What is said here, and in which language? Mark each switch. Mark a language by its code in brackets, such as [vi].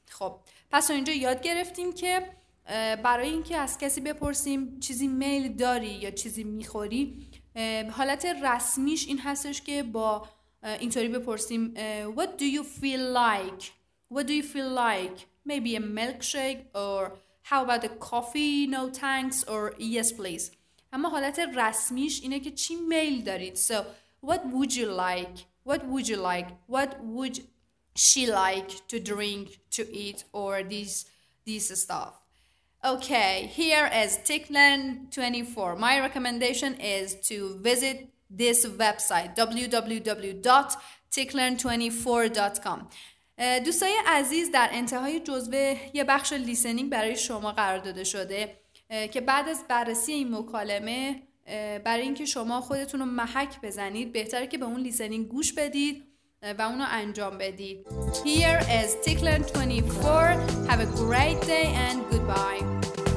[fa] خب، پس اینجا یاد گرفتیم که برای اینکه از کسی بپرسیم چیزی میل داری یا چیزی میخوری، حالت رسمیش این هستش که با اینطوری بپرسیم [en] What do you feel like? What do you feel like? Maybe a milkshake or how about a coffee? No thanks or yes please. [fa] اما حالت رسمیش اینه که چی میل دارید. [en] So what would you like? What would you like? What would she like to drink, to eat or these stuff? Okay, here is Tickland 24. My recommendation is to visit this website www.tickland24.com. [fa] دوستای عزیز، در انتهای جزوه یه بخش لیسنینگ برای شما قرار داده شده که بعد از بررسی این مکالمه برای اینکه شما خودتون رو محک بزنید بهتره که به اون لیسنینگ گوش بدید و اونو انجام بدید. [en] Here is Tickland 24. Have a great day and goodbye.